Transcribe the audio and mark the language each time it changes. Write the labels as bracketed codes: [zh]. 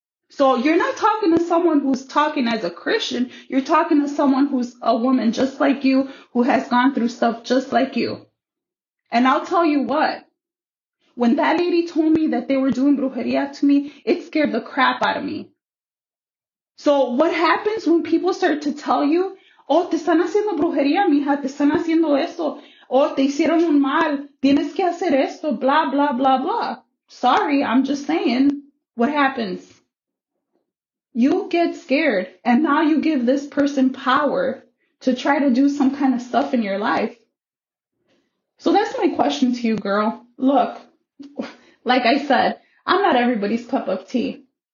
[en] So you're not talking to someone who's talking as a Christian. You're talking to someone who's a woman just like you, who has gone through stuff just like you. And I'll tell you what. When that lady told me that they were doing brujería to me, it scared the crap out of me. So what happens when people start to tell you, oh, [es] te están haciendo brujería, mija, te están haciendo eso. Oh, te hicieron un mal, tienes que hacer esto, blah, blah, blah, blah. [en] Sorry, I'm just saying, what happens? You get scared, and now you give this person power to try to do some kind of stuff in your life. So that's my question to you, girl. Look, like I said, I'm not everybody's cup of tea.